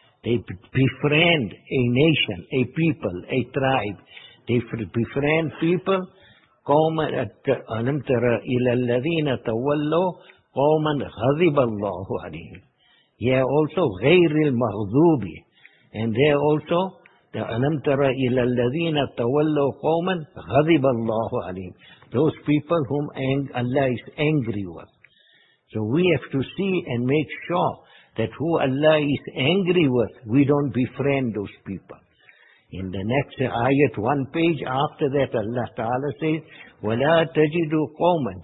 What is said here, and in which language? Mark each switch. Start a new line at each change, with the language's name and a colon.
English: They befriend a nation, a people, a tribe. They befriend people.
Arabic: قَوْمًا أَلَمْ تَرَى إِلَى الَّذِينَ تَوَلَّوْا قَوْمًا غَضِبَ اللَّهُ عَلِيهِمْ.
English: Yeah, also
Arabic: غَيْرِ الْمَغْضُوبِ.
English: And there also, the
Arabic: أَلَمْ تَرَى إِلَى الَّذِينَ تَوَلَّوْا قَوْمًا غَضِبَ اللَّهُ عَلِيهِمْ.
English: Those people whom Allah is angry with. So we have to see and make sure that who Allah is angry with, we don't befriend those people. In the next ayat, one page after that, Allah Ta'ala says,
Arabic: وَلَا تَجِدُوا قَوْمًا.